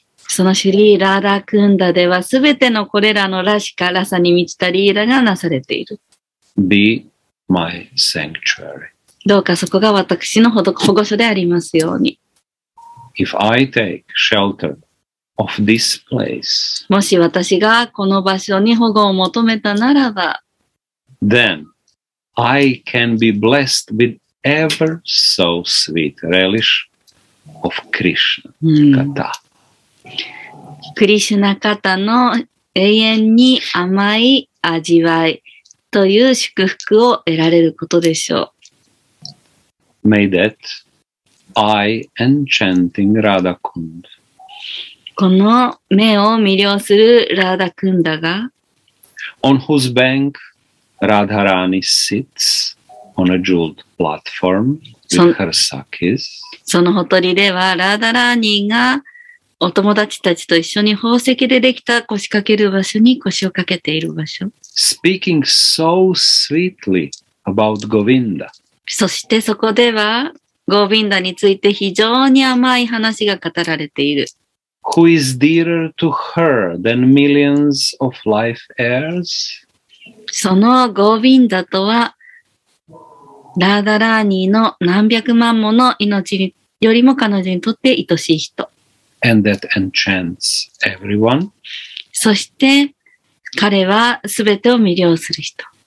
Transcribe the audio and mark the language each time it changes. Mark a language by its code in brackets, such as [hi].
[ja] そのシリーラーダークンダではすべてのこれらのラシカラサに満ちたリーラがなされている。 [en] Be my sanctuary. [ja] どうかそこが私の保護所でありますように。 [en] If I take shelter of this place, [ja] もし私がこの場所に保護を求めたならば、 [en] then I can be blessed with ever so sweet relish of Krishna katha. [ja] クリシュナカタの永遠に甘い味わいという祝福を得られることでしょう。 [en] May that I enchanting Radha Kund. [ja] この目を魅了するラーダクンダが、 [en] on whose bank Radharani sits on a jeweled platform with her sakis. [ja] そのほとりではラーダラーニーがお友達たちと一緒に宝石でできた腰掛ける場所に腰を掛けている場所。 [en] Speaking so sweetly about Govinda. [ja] そしてそこでは、ゴヴィンダについて非常に甘い話が語られている。 [en] Who is dearer to her than millions of life heirs? [ja] そのゴヴィンダとは、ラーダラーニーの何百万もの命よりも彼女にとって愛しい人。 [en] And that enchants everyone. [ja] そして彼はすべてを魅了する人。